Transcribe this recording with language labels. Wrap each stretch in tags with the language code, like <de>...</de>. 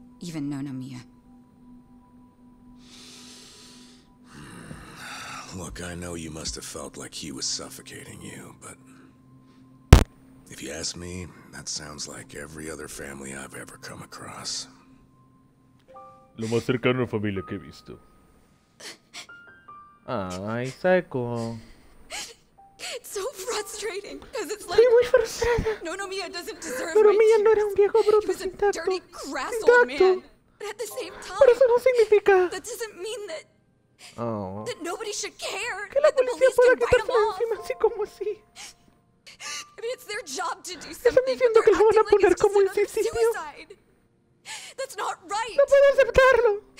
<en>Even Nonomiya. Look, I know you must have felt like he was suffocating you, but... If you ask me, that sounds like every other family I've ever come across.</en> <es>Lo más cercano a la familia que he visto. Ay, Saiko.</es> <en>It's so frustrating, because it's like...</en> <es>Estoy muy frustrada.</es> <en>Nonomiya doesn't deserve my tears.</en> <es>Nonomiya no era un viejo bruto sin tacto.</es> <en>He was a dirty, crass old man. But at the same time...</en> <es>Pero eso no significa...</es> <en>That doesn't mean that... Oh. That nobody should care.</en> <es>Que la policía pueda quitarse encima así como así.</es> <en>I mean, it's their job to do something, but they're acting like it's just another suicide. That's not right.</en> <es>No puedo aceptarlo.</es>